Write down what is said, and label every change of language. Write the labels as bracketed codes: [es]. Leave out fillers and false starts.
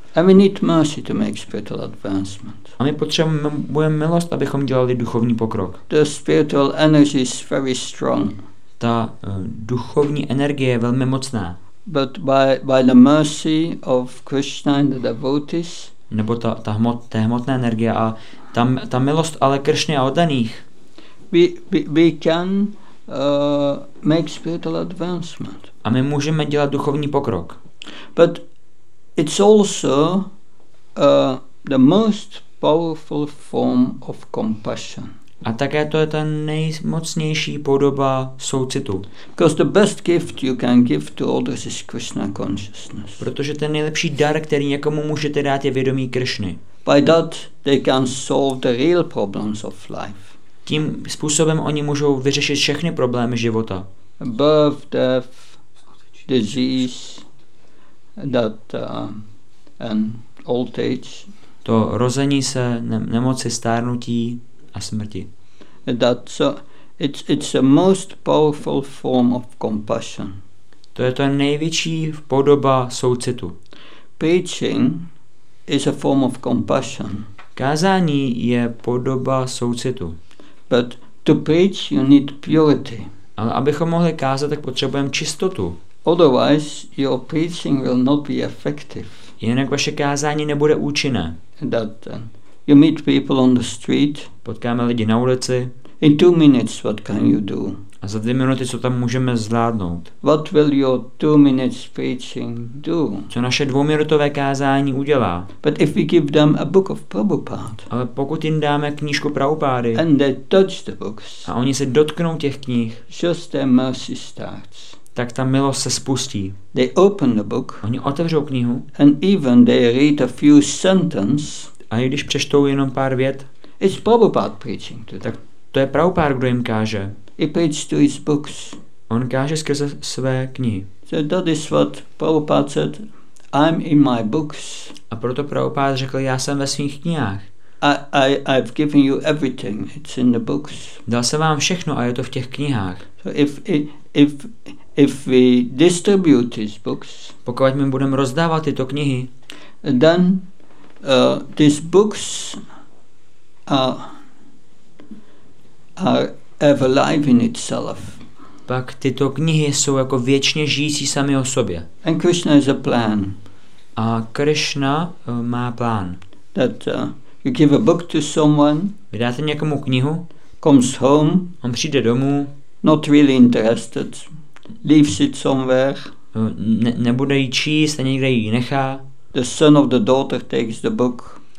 [en] And we need mercy to make spiritual advancement. [cs] A my potřebujeme milost, abychom dělali duchovní pokrok. [en] The spiritual energy is very strong. [cs] Ta duchovní energie je velmi mocná. [en] But by the mercy of Krishna and the devotees. [cs] Nebo ta hmotná energie a ta milost ale Krishny a oddaných. [en] We can make spiritual advancement. [cs] A my můžeme dělat duchovní pokrok. [en] But it's also the most powerful form of compassion. [cs] A také to je ta nejmocnější podoba soucitu. [en] Because the best gift you can give to others is Krishna consciousness. [cs] Protože ten nejlepší dar, který někomu můžete dát, je vědomí Krishny. [en] By that they can solve the real problems of life. [cs] Tím způsobem oni můžou vyřešit všechny problémy života. [en] Birth, death, disease, that and old age. [cs] To rození se, nemoci, stárnutí a smrti. [en] That so it's the most powerful form of compassion. [cs] To je to největší podoba soucitu. [en] Preaching is a form of compassion. [cs] Kázání je podoba soucitu. [en] But to preach you need purity. [cs] Ale abychom mohli kázat, tak potřebujeme čistotu. [en] Otherwise your preaching will not be effective. [cs] Jinak vaše kázání nebude účinné. [en] You meet people on the street. [cs] Potkáme lidi na ulici. [en] In 2 minutes, what can you do? [cs] A za 2 minuty, co tam můžeme zvládnout? [en] What will your 2 minutes preaching do? [cs] Co naše dvouminutové kázání udělá? [en] But if we give them a book of Prabhupada. [cs] Ale pokud jim dáme knížku Prabhupády. [en] And they touch the books. [cs] A oni se dotknou těch knih. [en] Just their mercy starts. [cs] Tak ta milost se spustí. [en] They open the book. [cs] Oni otevřou knihu. [en] And even they read a few sentences. [cs] A i když přečtou jenom pár vět, [en] it's Prabhupada preaching to them. [cs] Tak to je Prabhupada, kdo jim káže. [en] He preached to his books. [cs] On káže skrze své knihy. [en] So that is what Prabhupada said, I'm in my books. [cs] A proto Prabhupada řekl, já jsem ve svých knihách. [en] I've given you everything, it's in the books. [cs] Dal jsem vám všechno a je to v těch knihách. [en] So if we distribute his books, [cs] pokud my budeme rozdávat tyto knihy, [en] then these books are alive in itself. [cs] Pak tyto knihy jsou jako věčně žijící sami o sobě. [en] And Krishna has a plan. [cs] A Krishna má plán. [en] That you give a book to someone. [cs] Vydáte někomu knihu. [en] Comes home. [cs] On přijde domů. [en] Not really interested. Leaves it somewhere. [cs] Nebude jí číst a někde jí nechá. [en] The son of the daughter takes the book.